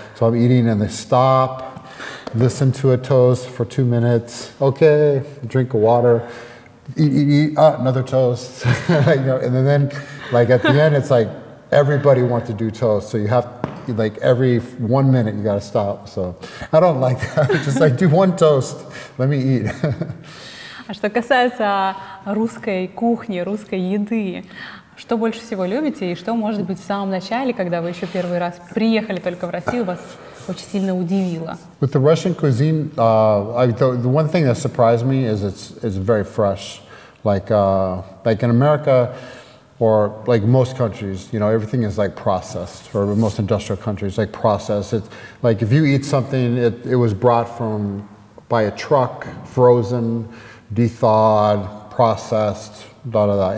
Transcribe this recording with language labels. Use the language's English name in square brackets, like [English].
[English] So I'm eating and they stop, listen to a toast for 2 minutes. Okay, drink water, eat. Another toast. You know, and then like at the end, it's like everybody wants to do toast. So you have like every 1 minute you got to stop. So I don't like that. Just like do one toast. Let me eat. [Russian] А что касается русской кухни, русской еды, что больше всего любите и что, может быть, в самом начале, когда вы еще первый раз приехали только в Россию, вас очень сильно удивило? [English] With the Russian cuisine, the one thing that surprised me is it's very fresh. Like in America or like most countries, you know, everything is like processed. For most industrial countries, like processed. It's like if you eat something, it was brought from by a truck, frozen, dethawed, processed, da da da.